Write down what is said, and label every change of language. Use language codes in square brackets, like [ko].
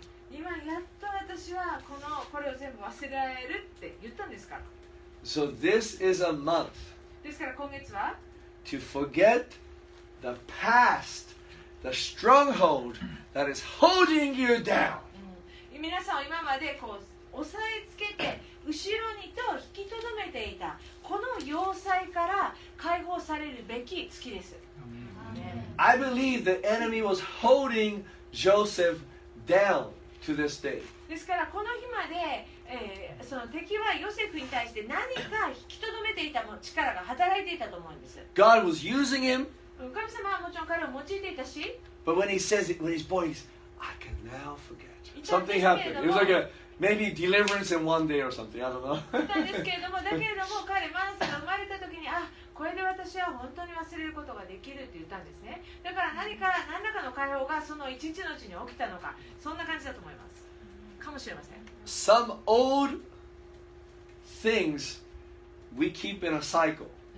[ja] 今やっと私はこのこれを全部忘れられるって言ったんですから。 [en] So this is a month. [ja] ですから今月は [en] To forget the past, the stronghold that is holding you down.、 [ja] 皆さん今までこう押さえつけて後ろにと引きとどめていたこの要塞から解放されるべき月です。 [en] I believe the enemy was holding Joseph down. To this day. [ja] ですからこの日まで、その敵はヨセフに対して何か引きとどめていたも力が働いていたと思うんです。 [en] God was using him, [ja] 神様はもちろん彼を用いていたし [en] But when he says it, when his voice I can now forget Something happened It was like a maybe deliverance in one day or something I don't know [ja] だけれど も, だけれども彼マナセが生まれた時にあこれで私は本当に忘れることができるって言ったんですね。だから何か何らかの解放がその一日のうちに起きたのかそんな感じだと思いますかもしれません。 [en] Some old things we keep in a cycle、